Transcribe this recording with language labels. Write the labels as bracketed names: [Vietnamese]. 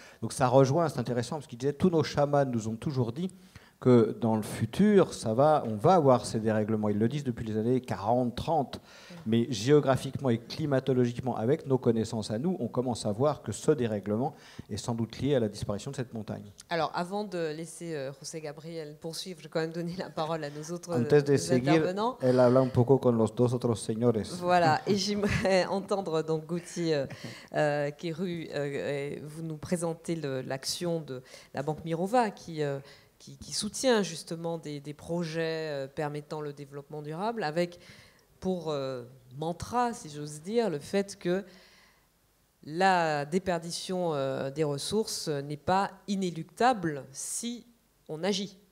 [French] Donc ça rejoint, c'est intéressant, parce qu'il disait tous nos chamans nous ont toujours dit que dans le futur, on va avoir ces dérèglements. Ils le disent depuis les années 40-30, mais géographiquement et climatologiquement, avec nos connaissances à nous, on commence à voir que ce dérèglement est sans doute lié à la disparition de cette montagne. Alors, avant de laisser José Gabriel poursuivre, je vais quand même donner la parole à nos autres intervenants. [Spanish] Antes de seguir, elle habla un poco con los dos otros señores. [French] Voilà, et j'aimerais entendre donc Gauthier Quéru, vous nous présentez l'action de la Banque Mirova qui soutient justement des projets permettant le développement durable, avec pour mantra, si j'ose dire, le fait que la déperdition des ressources n'est pas inéluctable si on agit.